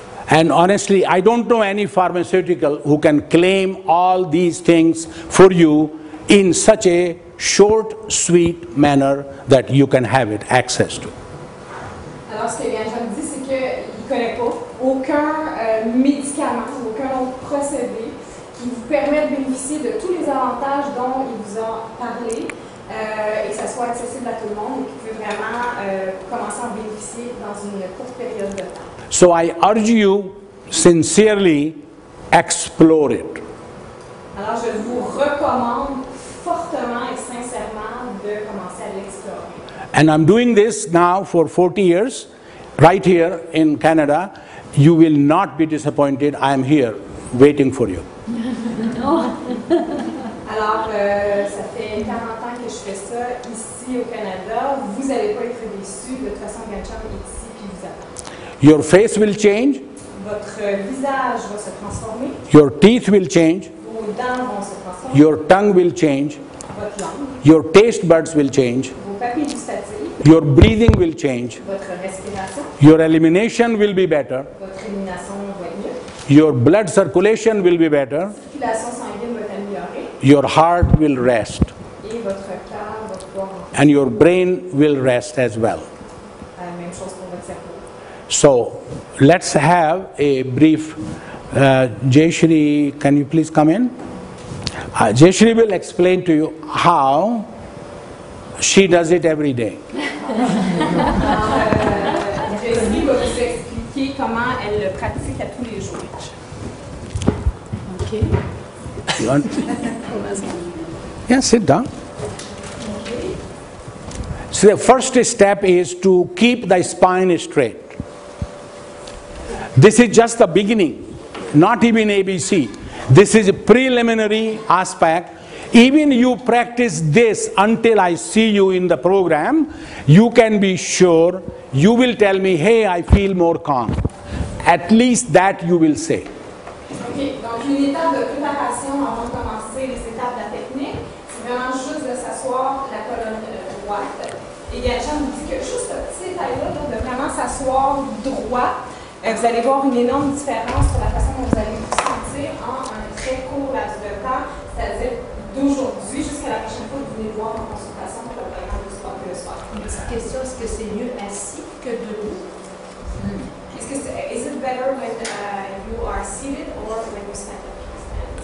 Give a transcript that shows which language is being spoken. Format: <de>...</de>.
<en>And honestly, I don't know any pharmaceutical who can claim all these things for you in such a short, sweet manner that you can have it access to.</en> <fr>Alors, ce que Yann Jean dit, c'est qu'il ne connaît pas aucun médicament, aucun procédé qui vous permet de bénéficier de tous les avantages dont il vous a parlé. Et que ça soit accessible à tout le monde et que vous pouvez vraiment commencer à en bénéficier dans une courte période de temps.</fr> <en>So I urge you sincerely explore it.</en> <fr>Alors je vous recommande fortement et sincèrement de commencer à l'explorer.</fr> <en>And I'm doing this now for 40 years right here in Canada, you will not be disappointed. I am here waiting for you.</en> <fr>Alors, ça fait 40 ans que je fais ça ici au Canada. Vous n'allez pas être déçus. De toute façon, Gatcham est ici et vous attend.</fr> <en>Your face will change.</en> <fr>Votre visage va se transformer.</fr> <en>Your teeth will change.</en> <fr>Vos dents vont se transformer.</fr> <en>Your tongue will change.</en> <fr>Votre langue.</fr> <en>Your taste buds will change.</en> <fr>Vos papilles gustatives.</fr> <en>Your breathing will change.</en> <fr>Votre respiration.</fr> <en>Your elimination will be better.</en> <fr>Votre élimination va être mieux.</fr> <en>Your blood circulation will be better.</en> <fr>Circulation sanguine va être améliorée.</fr> <en>Your heart will rest.</en> <fr>Et votre cœur, votre corps.</fr> <en>And your brain will rest as well.</en> <fr>Même chose pour votre cerveau.</fr> <en>So, let's have a brief. Jayshree, can you please come in? Jayshree will explain to you how she does it every day.</en> <fr>Jayshree va vous expliquer comment elle le pratique à tous les jours.</fr> <en>Ok. Yeah, sit down. So the first step is to keep the spine straight. This is just the beginning, not even ABC. This is a preliminary aspect. Even you practice this until I see you in the program, you can be sure you will tell me, hey, I feel more calm. At least that you will say.</en> <fr>Donc une étape de préparation avant de commencer les étapes de la technique, c'est vraiment juste de s'asseoir la colonne droite. Et Gatcham vous dit que juste ce petit détail-là, de vraiment s'asseoir droit, vous allez voir une énorme différence sur la façon dont vous allez vous sentir en un très court laps de temps, c'est-à-dire d'aujourd'hui jusqu'à la prochaine fois que vous venez voir en consultation pour le programme de sport que le soir. Une petite question, est-ce que c'est mieux assis que debout?</fr> <en>Is it better when you are seated or when you stand up?</en>